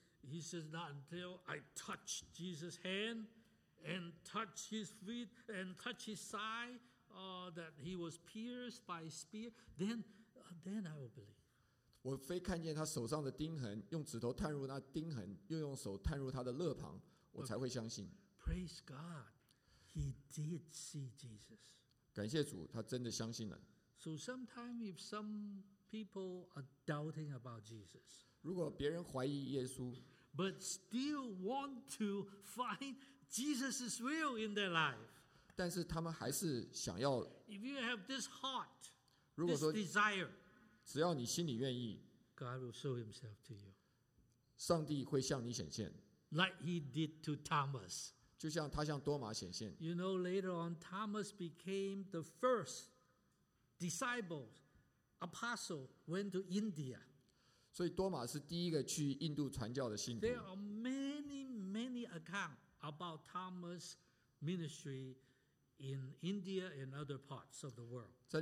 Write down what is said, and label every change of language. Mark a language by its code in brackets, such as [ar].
[en] He says, not until I touch Jesus' hand and touch his feet and touch his side that he was pierced by a spear, then I will believe. [zh] 我非看见他手上的钉痕, 用指头探入那钉痕, 又用手探入他的肋旁, 我才会相信。 [en] Praise God, he did see Jesus. [zh] 感谢主, 他真的相信了。 [en] So sometimes if some people are doubting about Jesus, [zh] 如果别人怀疑耶稣, [en] but still want to find Jesus' will in their life. [zh] 但是他们还是想要, [en] if you have this heart, this desire, [zh] 只要你心里愿意, [en] God will show himself to you. [zh] 上帝会向你显现, [en] like he did to Thomas. [zh] 就像他向多马显现, [en] you know, later on, Thomas became the first disciple, apostle, went to India. [zh] 所以多马是第一个去印度传教的信徒。 [en] There are many, many accounts about Thomas' ministry in India and other parts of the world.